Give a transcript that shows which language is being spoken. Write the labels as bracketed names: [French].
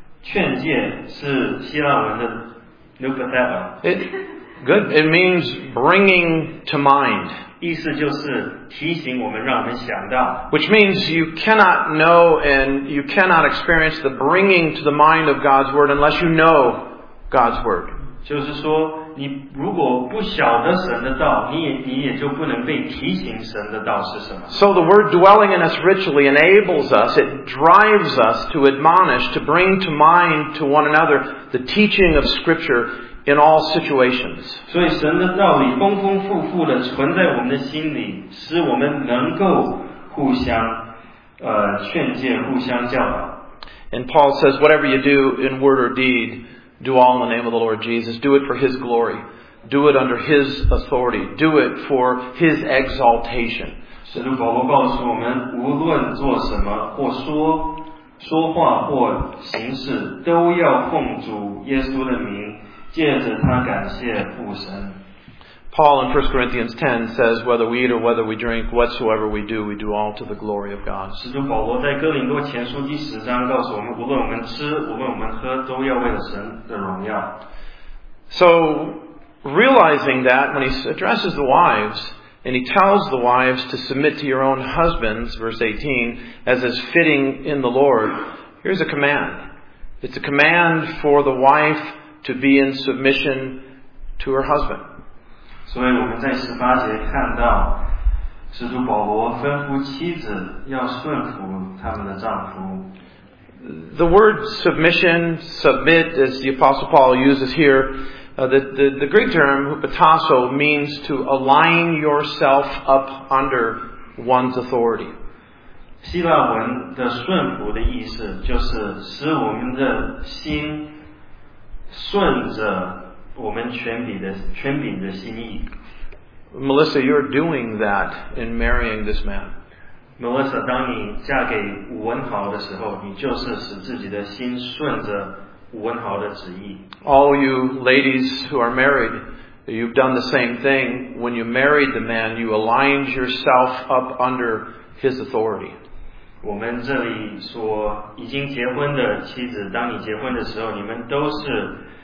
[Chinese] 劝诫是希腊文的 Leupatheba。 [English] Good, it means bringing to mind. [Chinese] 意思就是提醒我们，让我们想到。 [English] Which means you cannot know and you cannot experience the bringing to the mind of God's word unless you know God's word. [Chinese] 就是说，你如果不晓得神的道，你也就不能被提醒神的道是什么。 [English] So the word dwelling in us richly enables us, it drives us to admonish, to bring to mind to one another the teaching of Scripture in all situations. [Chinese] 所以神的道理丰丰富富的存在我们的心里，使我们能够互相劝诫，互相教导。 [English] And Paul says, whatever you do in word or deed,do all in the name of the Lord Jesus. Do it for His glory. Do it under His authority. Do it for His exaltation. [Chinese] 使徒保罗告诉我们，无论做什么，或说话，或行事，都要奉主耶稣的名，借着他感谢父神。 [English] Paul in 1 Corinthians 10 says, whether we eat or whether we drink, whatsoever we do all to the glory of God. [Chinese] 使徒保罗在哥林多前书第十章告诉我们，无论我们吃，无论我们喝，都要为了神的荣耀。 [English] So, realizing that, when he addresses the wives, and he tells the wives to submit to your own husbands, verse 18, as is fitting in the Lord, here's a command. It's a command for the wife to be in submission to her husband. [Chinese] 所以我们在十八节看到，使徒保罗吩咐妻子要顺服他们的丈夫。 [English] The word submission, submit, as the Apostle Paul uses here, the Greek term hupotasso means to align yourself up under one's authority. [Chinese] 希腊文的顺服的意思就是使我们的心顺着。我们全柄的心意。 [English] Melissa, you're doing that in marrying this man. [Chinese] Melissa, 当你嫁给吴文豪的时候，你就是使自己的心顺着吴文豪的旨意。 [English] All you ladies who are married, you've done the same thing. When you married the man, you aligned yourself up under his authority. [Chinese] 我们这里说，已经结婚的妻子，当你结婚的时候，你们都是。